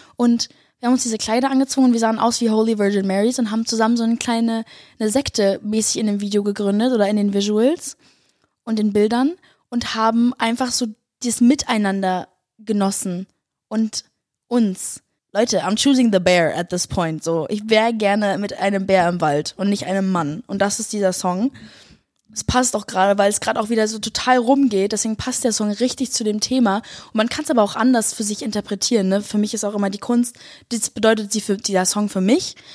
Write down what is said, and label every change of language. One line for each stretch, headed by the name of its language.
German: Und wir haben uns diese Kleider angezogen und wir sahen aus wie Holy Virgin Marys und haben zusammen so eine kleine Sekte mäßig in dem Video gegründet oder in den Visuals und den Bildern und haben einfach so das Miteinander genossen und uns.
English: Leute, I'm choosing the bear at this point.
German: So, ich wäre gerne mit einem Bär im Wald und nicht einem Mann. Und das ist dieser Song. Es passt auch gerade, weil es gerade auch wieder so total rumgeht. Deswegen passt der Song richtig zu dem Thema. Und man kann es aber auch anders für sich interpretieren. Ne? Für mich ist auch immer die Kunst, das bedeutet dieser Song für mich.